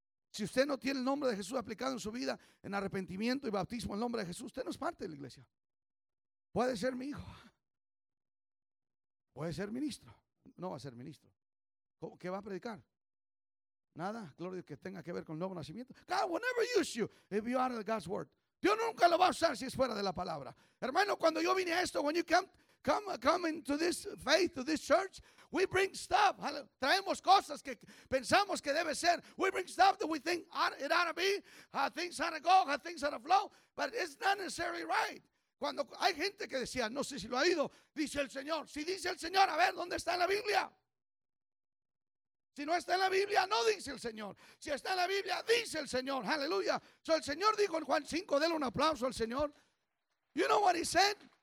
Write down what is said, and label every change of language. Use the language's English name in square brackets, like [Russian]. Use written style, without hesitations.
[Spanish] Si usted no tiene el nombre de Jesús aplicado en su vida, en arrepentimiento y bautismo, el nombre de Jesús, usted no es parte de la iglesia. Puede ser mi hijo. Puede ser ministro. No va a ser ministro. ¿Cómo, qué va a predicar? Nada, gloria, que tenga que ver con el nuevo nacimiento. [English] God will never use you if you are out of God's word. [Spanish] Dios nunca lo va a usar si es fuera de la palabra. Hermano, cuando yo vine a esto, [English] when you come into this faith, to this church, we bring stuff. [Spanish] Traemos cosas que pensamos que debe ser. [English] We bring stuff that we think it ought to be, how things ought to go, how things ought to flow, but it's not necessarily right. [Spanish] Cuando hay gente que decía, no sé si lo ha oído, dice el Señor. Si dice el Señor, a ver, ¿dónde está la Biblia? Si no está en la Biblia, no dice el Señor. Si está en la Biblia, dice el Señor. Aleluya. So el Señor dijo en Juan 5, denle un aplauso al Señor. [English] You know what he said?